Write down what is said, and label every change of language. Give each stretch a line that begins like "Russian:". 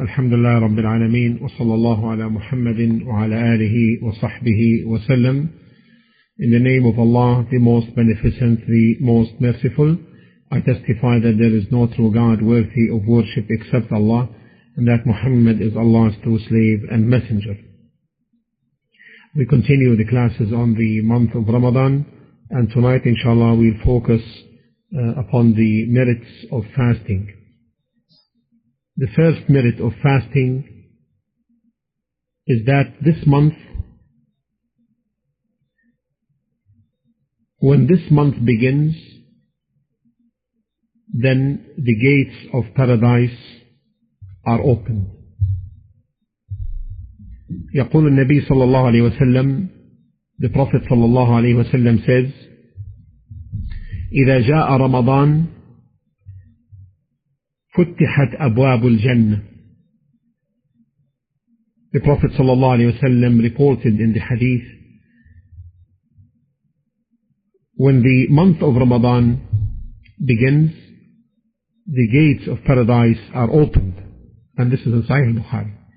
Arabic: الحمد لله رب العالمين، وصلى الله على محمد وعلى آله وصحبه وسلم.
English: In the name of Allah, the most beneficent, the most merciful, I testify that there is no true God worthy of worship except Allah, and that Muhammad is Allah's true slave and messenger. We continue the classes on the month of Ramadan, and tonight inshallah we'll focus upon the merits of fasting. The first merit of fasting is that this month, when this month begins, then the gates of paradise are opened.
Arabic: يقول النبي صلى الله عليه وسلم,
English: the Prophet صلى الله عليه وسلم says,
Arabic: إذا جاء رمضان فتحت أبواب الجنة.
English: The Prophet صلى الله عليه وسلم reported in the hadith, when the month of Ramadan begins, the gates of paradise are opened. And this is in Sahih Bukhari.